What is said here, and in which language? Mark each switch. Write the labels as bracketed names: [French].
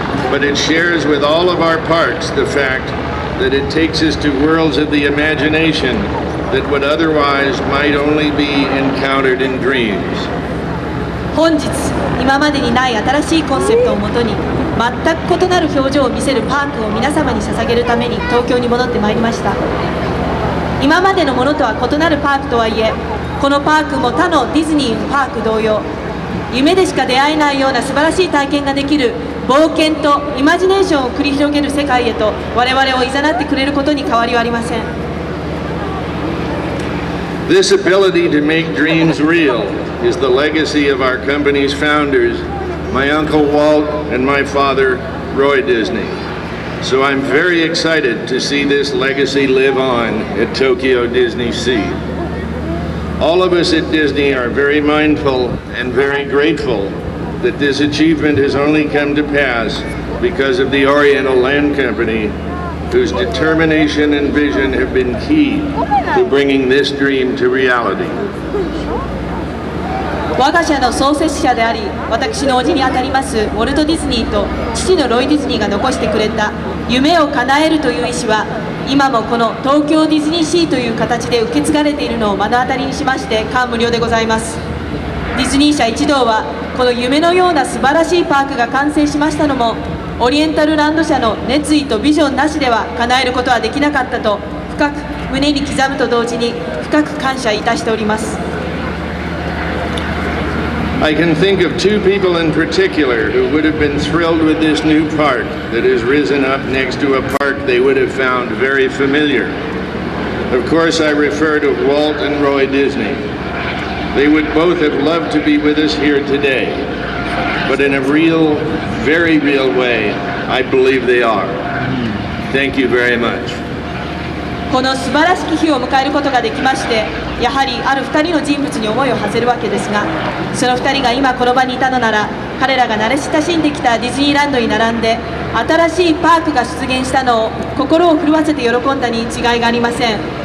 [English] But it shares with all of our parks the fact that it takes us to worlds of the imagination that would otherwise might only be encountered in dreams. [Japanese] 本日、今までにない新しいコンセプトをもとに、全く異なる表情を見せるパークを皆様に捧げるために東京に戻ってまいりました。今までのものとは異なるパークとはいえ、このパークも他のディズニーパーク同様、夢でしか出会えないような素晴らしい体験ができる冒険とイマジネーションを繰り広げる世界へと我々を誘ってくれることに変わりはありません。 [English] This ability to make dreams real is the legacy of our company's founders, my uncle Walt and my father, Roy Disney. So I'm very excited to see this legacy live on at Tokyo DisneySea. All of us at Disney are very mindful and very grateful that this achievement has only come to pass because of the Oriental Land Company, whose determination and vision have been key to bringing this dream to reality. [Japanese] 我が社の創設者であり、私の叔父にあたりますウォルト・ディズニーと父のロイ・ディズニーが残してくれた夢を叶えるという意思は、今もこの東京ディズニーシーという形で受け継がれているのを目の当たりにしまして感無量でございます。ディズニー社一同は、この夢のような素晴らしいパークが完成しましたのも、オリエンタルランド社の熱意とビジョンなしでは叶えることはできなかったと深く胸に刻むと同時に深く感謝いたしております。 [English] I can think of two people in particular who would have been thrilled with this new park that has risen up next to a park they would have found very familiar. Of course, I refer to Walt and Roy Disney. They would both have loved to be with us here today, but in a real, very real way, I believe they are. Thank you very much. [Japanese] この素晴らしき日を迎えることができまして、やはりある2人の人物に思いを馳せるわけですが、その2人が今この場にいたのなら、彼らが慣れ親しんできたディズニーランドに並んで新しいパークが出現したのを心を震わせて喜んだに違いがありません。